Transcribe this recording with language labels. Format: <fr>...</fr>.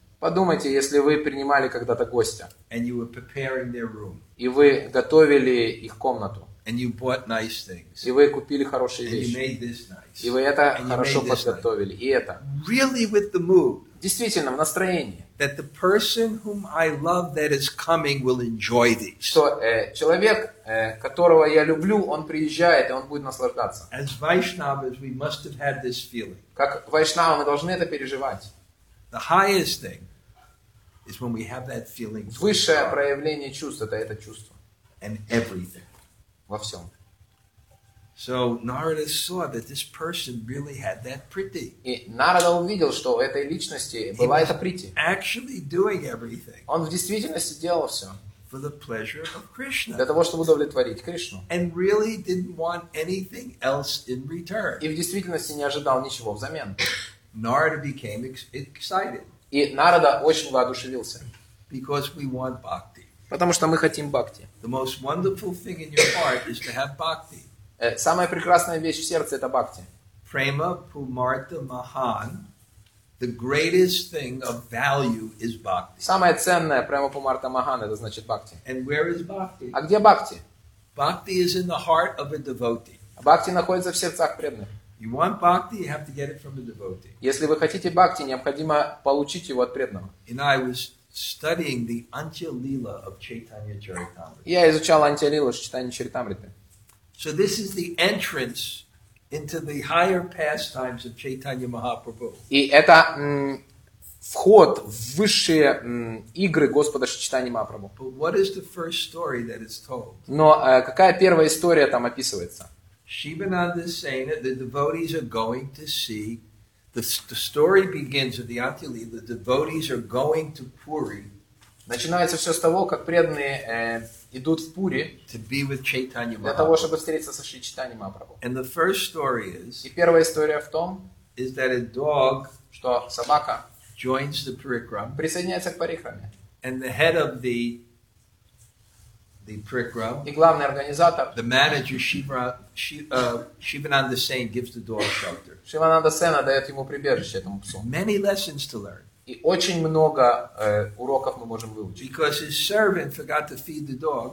<ru>Подумайте, если вы принимали когда-то гостя.</ru> <en>And you were preparing their room.</en> <ru>И вы готовили их комнату.</ru> <en>And you bought nice things.</en> <ru>И вы купили хорошие вещи.</ru> <en>And you made this nice.</en> <ru>И вы это хорошо подготовили. И это.</ru> <en>Really with the mood.</en> <ru>Действительно, в настроении.</ru> <en>That the person whom I love that is coming will enjoy these.</en> <ru>Что человек, которого я люблю, он приезжает, и он будет наслаждаться.</ru> <en>As Vaishnavas, we must have had this feeling.</en> <ru>Как Вайшнавы, мы должны это переживать.</ru> <en>The highest thing is when we have that feeling.</en> <ru>Высшее проявление чувств – это чувство.</ru> <en>And everything.</en> <ru>Во всем.</ru> <en>So Narada saw that this person really had that priti.</en> <ru>И Нарада увидел, что у этой личности была эта прити.</ru> <en>Actually doing everything.</en> <ru>Он в действительности делал все.</ru> <en>For the pleasure of Krishna.</en> <ru>Для того, чтобы удовлетворить Кришну.</ru> <en>And really didn't want anything else in return.</en> <ru>И в действительности не ожидал ничего взамен.</ru> <en>Narada became excited.</en> <ru>И Нарада очень воодушевился.</ru> <en>Because we want bhakti.</en> <ru>Потому что мы хотим бхакти.</ru> <en>The most wonderful thing in your heart is to have bhakti.</en> <ru>Самая прекрасная вещь в сердце это бхакти.</ru> <en>Prema Pumartha Mahan, The greatest thing of value is bhakti.</en> <ru>Самое ценное прямо по Марта Махан, это значит бхакти.</ru> <en>And where is bhakti?</en> <ru>А где бхакти?</ru> <en>Bhakti is in the heart of a devotee.</en> <ru>Бхакти находится в сердцах преданных.</ru> <en>You want bhakti, you have to get it from a devotee.</en> <ru>Если вы хотите бхакти, необходимо получить его от преданного.</ru> <en>And I was studying the Anchalila of Chaitanya Charitamrita.</en> <ru>Я изучал Анчалилу Чайтанья Чаритамриты.</ru> <en>So this is the entrance into the higher pastimes of Chaitanya Mahaprabhu.</en> <ru>И это вход в высшие игры Господа Чайтаньи Махапрабху.</ru> <en>But what is the first story that is told?</en> <ru>Но какая первая история там описывается?</ru> <en>Shivananda is saying that the devotees are going to see. The story begins with the Anchalila. The devotees are going to Puri.</en> <ru>Начинается все с того, как преданные идут в Пури</ru> <en>to be with Chaitanya</en> <ru>для того, чтобы встретиться со Шри Чайтаньей Махапрабху.</ru> <en>And the first story is.</en> <ru>И первая история в том,</ru> <en>is that a dog,</en> <ru>что собака,</ru> <en>joins the parikram,</en> <ru>присоединяется к парикраме.</ru> <en>And the head of the parikram,</en> <ru>и главный организатор,</ru> <en>the manager Shivananda Sen gives the dog shelter.</en> <ru>Шивананда Сена дает ему прибежище этому псу.</ru> <en>Many lessons to learn.</en> <ru>И очень много уроков мы можем выучить.</ru> <en>Because his servant forgot to feed the dog.</en>